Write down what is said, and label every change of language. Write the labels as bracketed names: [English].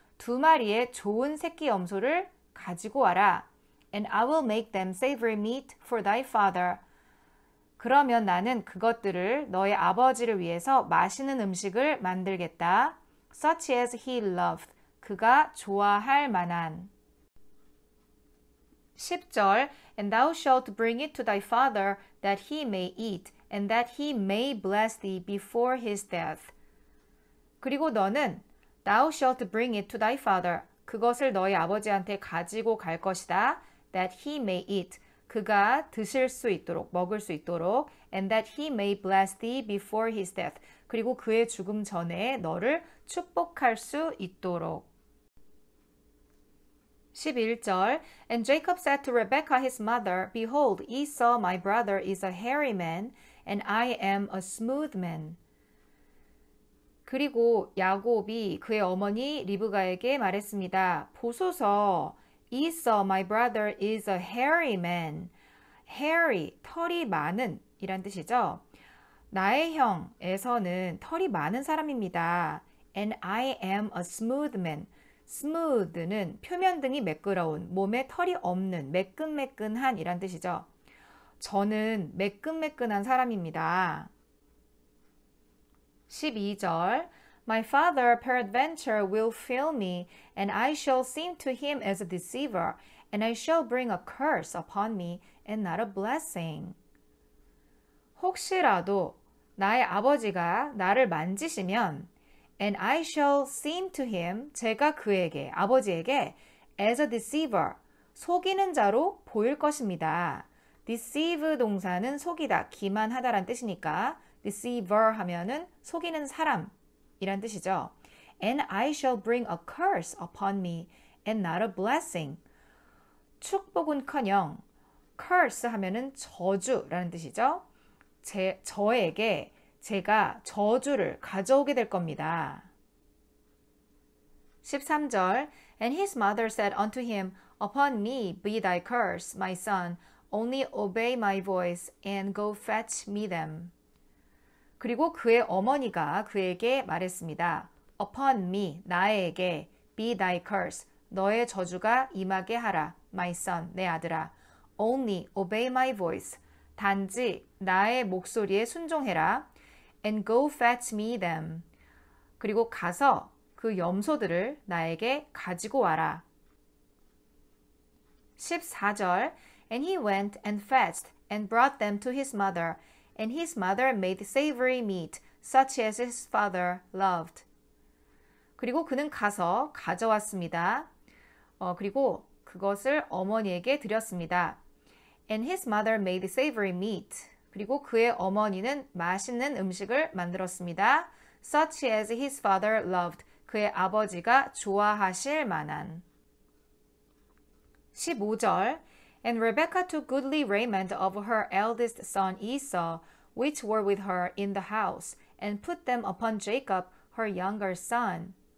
[Korean] 두 마리의 좋은 새끼 염소를 가지고 와라. [English] And I will make them savory meat for thy father. [Korean] 그러면 나는 그것들을 너의 아버지를 위해서 맛있는 음식을 만들겠다. [English] Such as he loved. [Korean] 그가 좋아할 만한. [English] 10절 And thou shalt bring it to thy father that he may eat and that he may bless thee before his death. [Korean] 그리고 너는 [English] thou shalt bring it to thy father. [Korean] 그것을 너의 아버지한테 가지고 갈 것이다. [English] That he may eat. [Korean] 그가 드실 수 있도록, 먹을 수 있도록. [English] And that he may bless thee before his death. [Korean] 그리고 그의 죽음 전에 너를 축복할 수 있도록. [English] 11절 And Jacob said to Rebekah his mother, Behold, Esau my brother is a hairy man, and I am a smooth man. [Korean] 그리고 야곱이 그의 어머니 리브가에게 말했습니다. 보소서, [English] Esau, my brother, is a hairy man. [Korean] Hairy, 털이 많은 이란 뜻이죠. 나의 형 에서는 털이 많은 사람입니다. [English] And I am a smooth man. [Korean] Smooth는 표면 등이 매끄러운, 몸에 털이 없는, 매끈매끈한 이란 뜻이죠. 저는 매끈매끈한 사람입니다. [English] 12절 My father peradventure will fail me, and I shall seem to him as a deceiver, and I shall bring a curse upon me, and not a blessing. [Korean] 혹시라도 나의 아버지가 나를 만지시면, [English] and I shall seem to him, [Korean] 제가 그에게, 아버지에게, [English] as a deceiver, [Korean] 속이는 자로 보일 것입니다. deceive 동사는 속이다, 기만하다란 뜻이니까, deceiver 하면은 속이는 사람 이란 뜻이죠. [English] And I shall bring a curse upon me and not a blessing. [Korean] 축복은커녕 curse 하면은 저주라는 뜻이죠. 저에게 제가 저주를 가져오게 될 겁니다. [English] 13절 And his mother said unto him, Upon me be thy curse, my son. Only obey my voice and go fetch me them. [Korean] 그리고 그의 어머니가 그에게 말했습니다. [English] Upon me, [Korean] 나에게, [English] be thy curse, [Korean] 너의 저주가 임하게 하라, [English] my son, [Korean] 내 아들아. [English] Only obey my voice, [Korean] 단지 나의 목소리에 순종해라. [English] And go fetch me them. [Korean] 그리고 가서 그 염소들을 나에게 가지고 와라. [English] 14절 And he went and fetched and brought them to his mother. And his mother made savory meat, such as his father loved. [Korean] 그리고 그는 가서 가져왔습니다. 그리고 그것을 어머니에게 드렸습니다. [English] And his mother made savory meat. [Korean] 그리고 그의 어머니는 맛있는 음식을 만들었습니다. [English] Such as his father loved. [Korean] 그의 아버지가 좋아하실 만한. [English] 15절 And Rebekah took goodly raiment of her eldest son Esau, which were with her in the house, and put them upon Jacob, her younger son.